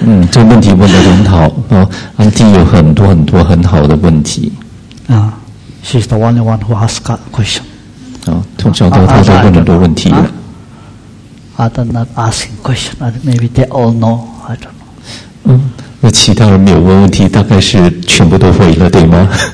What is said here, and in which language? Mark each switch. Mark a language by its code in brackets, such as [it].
[zh] 这问题问得很好啊，安迪有很多很多很好的问题。 [en] 啊，she's the only one who ask a question. [zh] 啊，从小到大都问很多问题了。 [en] Other not asking question, maybe they all know. I don't know. [zh] 那其他人没有问问题，大概是全部都会了，对吗？